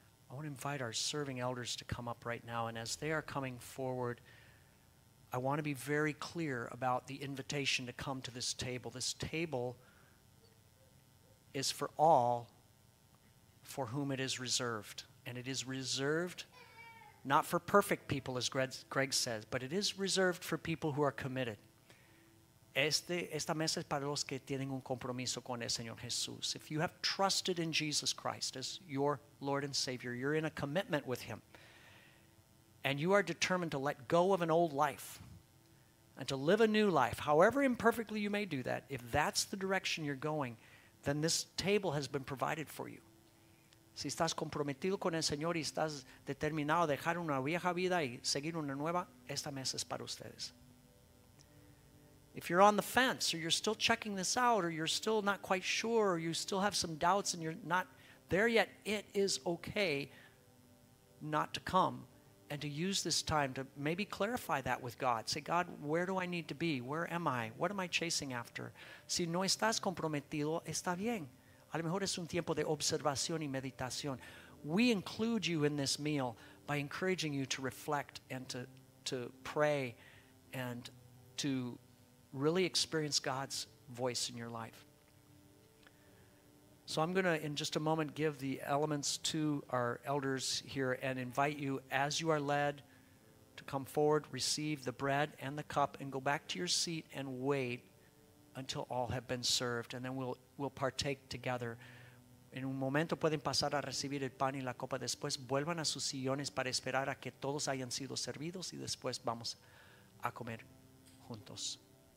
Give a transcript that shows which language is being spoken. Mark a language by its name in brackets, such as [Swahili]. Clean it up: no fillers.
[English] I want to invite our serving elders to come up right now, and as they are coming forward, I want to be very clear about the invitation to come to this table. This table is for all for whom it is reserved. And it is reserved not for perfect people, as Greg says, but it is reserved for people who are committed. [Spanish] Esta mesa es para los que tienen un compromiso con el Señor Jesús. [English] If you have trusted in Jesus Christ as your Lord and Savior, you're in a commitment with him. And you are determined to let go of an old life and to live a new life, however imperfectly you may do that, if that's the direction you're going, then this table has been provided for you. [Spanish] Si estás comprometido con el Señor y estás determinado a dejar una vieja vida y seguir una nueva, esta mesa es para ustedes. [English] If you're on the fence, or you're still checking this out, or you're still not quite sure, or you still have some doubts and you're not there yet, it is okay not to come and to use this time to maybe clarify that with God. Say, God, where do I need to be? Where am I? What am I chasing after? [Spanish] Si no estás comprometido, está bien. A lo mejor es un tiempo de observación y meditación. [English] We include you in this meal by encouraging you to reflect and to pray and to really experience God's voice in your life. So I'm going to, in just a moment, give the elements to our elders here and invite you, as you are led, to come forward, receive the bread and the cup, and go back to your seat and wait until all have been served, and then we'll partake together. [Spanish] En un momento pueden pasar a recibir el pan y la copa. Después vuelvan a sus sillones para esperar a que todos hayan sido servidos y después vamos a comer juntos.